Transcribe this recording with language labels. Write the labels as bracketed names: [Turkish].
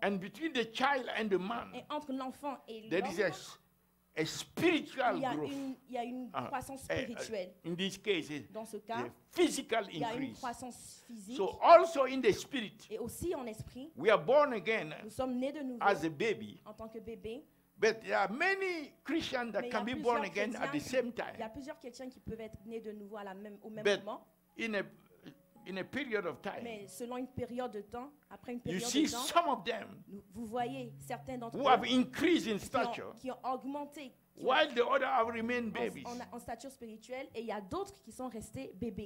[English] And between the child and the man. [French] Et entre l'enfant et l'homme. [English] There is a spiritual growth. [French] Il y a une croissance spirituelle. [English] In this case, [French] dans ce cas, [English] physical increase. [French] Il y a une croissance physique. [English] So also in the spirit. [French] Et aussi en esprit. [English] We are born again. [French] Nous sommes nés de nouveau. [English] As a baby. [French] En tant que bébé. [English] But there are many Christians that can be born again at the same time. [French] Il y a plusieurs chrétiens qui peuvent être nés de nouveau à la même au même moment. [English] In a period of time, [French] mais selon une période de temps, après une période [English] you see [French] de temps, [English] some of them [French] vous voyez certains d'entre [English] who [French] eux [English] have increased in stature, [French] qui ont augmenté, [English] While the other have remained babies. [French] En stature spirituelle, et il y a d'autres qui sont restés bébés.